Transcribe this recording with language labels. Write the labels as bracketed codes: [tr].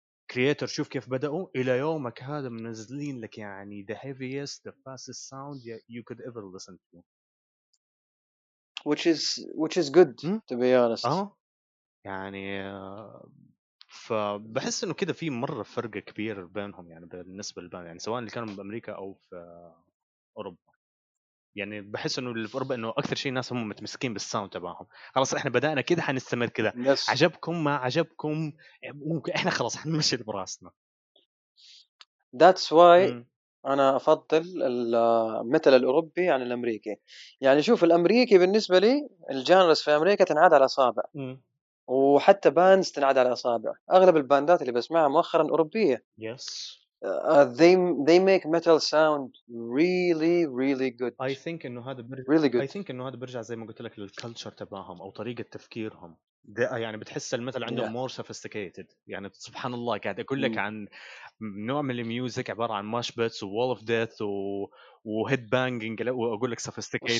[ar] كرييتر شوف كيف بداوا الى يومك هذا منزلين لك يعني [en] the heaviest the fastest sound you could ever listen to which is good to be honest. [ar] يعني فبحس انه كده في مره فرق كبير بينهم يعني بالنسبه للبان يعني سواء اللي كانوا بامريكا او في اوروبا. يعني بحس انه اللي في اوروبا انه اكثر شيء الناس هم متمسكين بالساوند تبعهم، خلاص احنا بدانا كده حنستمر كده [en] yes. [ar] عجبكم ما عجبكم ممكن احنا خلاص حنمشي براسنا. [en] That's why [ar] انا افضل المثل الاوروبي عن الامريكي. يعني شوف الامريكي بالنسبه لي الجانرز في امريكا تنعاد على اصابع وحتى بانز تنعاد على اصابع. اغلب الباندات اللي بسمعها مؤخرا اوروبيه [en] yes. They make metal sound really really good. I think [ar] إنه هذا برجع [en] really good. I think [ar] إنه هذا برجع زي ما قلت لك للكلتشر تبعهم أو طريقة تفكيرهم. يعني بتحس المثل عندهم [en] yeah. more sophisticated. [ar] يعني سبحان الله قاعد أقول لك عن نوع من الميوزك عبارة عن [en] mosh pits [ar] و [en] wall of death [ar] و [en] head banging [ar] وأقول لك sophisticated.